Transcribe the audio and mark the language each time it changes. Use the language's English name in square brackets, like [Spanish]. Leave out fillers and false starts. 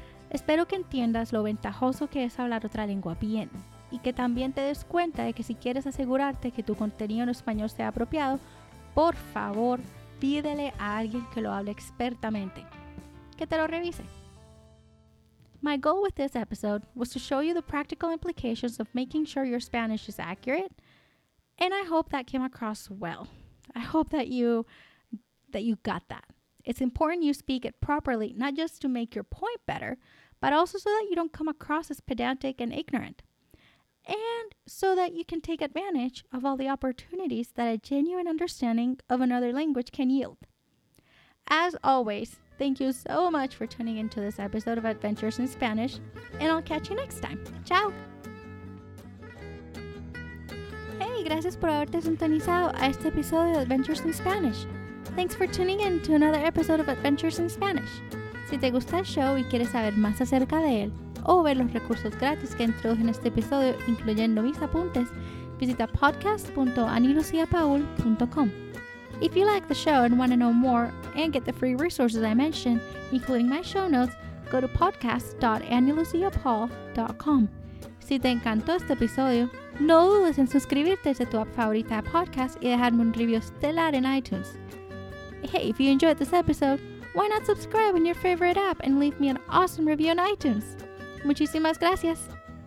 [Spanish] Espero que entiendas lo ventajoso que es hablar otra lengua bien y que también te des cuenta de que si quieres asegurarte que tu contenido en español sea apropiado, por favor, pídele a alguien que lo hable expertamente, que te lo revise. [English] My goal with this episode was to show you the practical implications of making sure your Spanish is accurate, and I hope that came across well. I hope that you got that. It's important you speak it properly, not just to make your point better, but also so that you don't come across as pedantic and ignorant, and so that you can take advantage of all the opportunities that a genuine understanding of another language can yield. As always, thank you so much for tuning into this episode of Adventures in Spanish, and I'll catch you next time. [Italian] Ciao! [Spanish] Hey, gracias por haberte sintonizado a este episodio de Adventures in Spanish. [English] Thanks for tuning in to another episode of Adventures in Spanish. [Spanish] Si te gusta el show y quieres saber más acerca de él, o ver los recursos gratis que introduje en este episodio, incluyendo mis apuntes, visita podcast.annalucia.paul.com. [English] If you like the show and want to know more and get the free resources I mentioned, including my show notes, go to podcast.annalucia.paul.com. [Spanish] Si te encantó este episodio, no dudes en suscribirte a tu app favorita podcast y dejarme un review estelar en iTunes. [English] Hey, if you enjoyed this episode, why not subscribe in your favorite app and leave me an awesome review on iTunes? [Spanish] Muchísimas gracias.